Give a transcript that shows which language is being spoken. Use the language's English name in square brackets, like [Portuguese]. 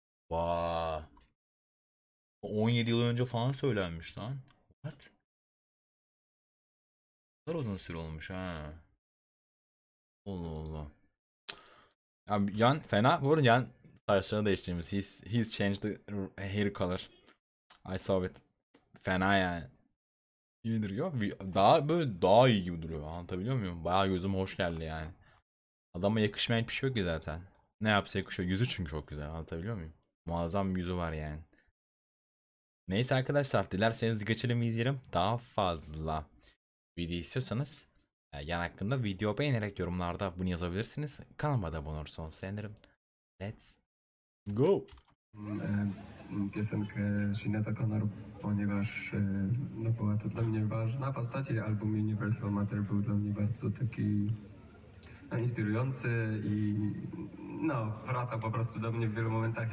[Turkish] Vaa. 17 yıl önce falan söylenmiş lan. [English] What? [Turkish] Ne kadar uzun süre olmuş ha. Allah Allah. Yani fena. Bu arada yani saçlarını değiştirmiş. [English] He's changed the hair color. I saw it. [Turkish] Fena yani. İyi duruyor. Daha böyle daha iyi gibi duruyor. Anlatabiliyor muyum? Bayağı gözüme hoş geldi yani. Adama yakışmayan bir şey yok ki zaten. Ne yapsa yakışıyor. Yüzü çünkü çok güzel. Anlatabiliyor muyum? Muazzam bir yüzü var yani. Neyse arkadaşlar. Dilerseniz geçelim izleyelim. Daha fazla video istiyorsanız yan hakkında video beğenerek yorumlarda bunu yazabilirsiniz. Kanalıma da abone olursanız sevinirim. [English] Let's go. [Polish] Piosenkę Sineta Conneru, ponieważ no, była to dla mnie ważna postać. Album Universal Matter był dla mnie bardzo taki no, inspirujący i no, wracał po prostu do mnie w wielu momentach.